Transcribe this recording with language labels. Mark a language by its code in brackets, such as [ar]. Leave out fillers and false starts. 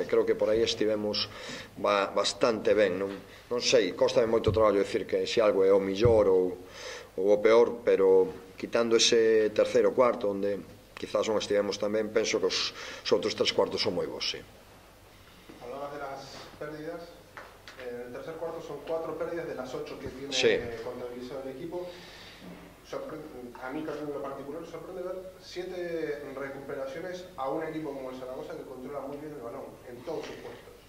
[gl] E creo que por aí estivemos bastante ben, non? Non sei, costa moito traballo decir que se algo é o millor ou o peor, pero quitando ese terceiro cuarto onde quizás non estivemos tan ben, penso que os outros tres cuartos son moi bons, sí. [es] Hablabas de las pérdidas. En el tercer cuarto son 4 pérdidas de las 8 que tiene, sí, contabilizado el equipo. A mí, caso en lo particular, sorprende ver 7 recuperaciones a un equipo como el Zaragoza, que controla muy bien el balón en todos sus puestos.